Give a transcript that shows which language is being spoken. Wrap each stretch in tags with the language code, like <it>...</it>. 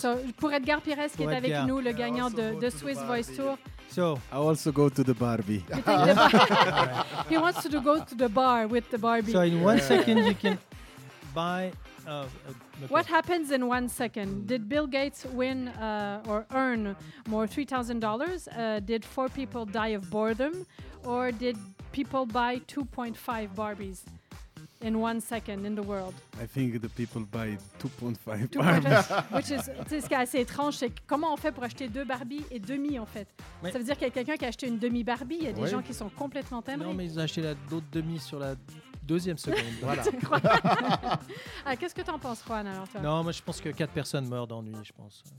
<fr>So, pour Edgar Pires, qui est avec nous, le gagnant de Swiss Voice Tour.</fr> <en>So, I also go to the Barbie. He wants to go to the bar with the Barbie. So, in one second, you can buy... What happens in one second? Did Bill Gates win or earn more $3,000? Did four people die of boredom? Or did people buy 2.5 Barbies in one second in the world? I think the people buy 2.5 Barbies.</en> <fr>Which is, c'est ce qui est assez étrange, c'est comment on fait pour acheter deux Barbies et demi, en fait. Mais ça veut dire qu'il y a quelqu'un qui a acheté une demi-Barbie, il y a des gens qui sont complètement timbrés. Non, mais ils ont acheté d'autres demi sur la... deuxième seconde. Voilà. <Tu crois? rire> Qu'est-ce que t'en penses, Juan, alors, toi? Non, moi, je pense que 4 personnes meurent d'ennui, je pense.</fr>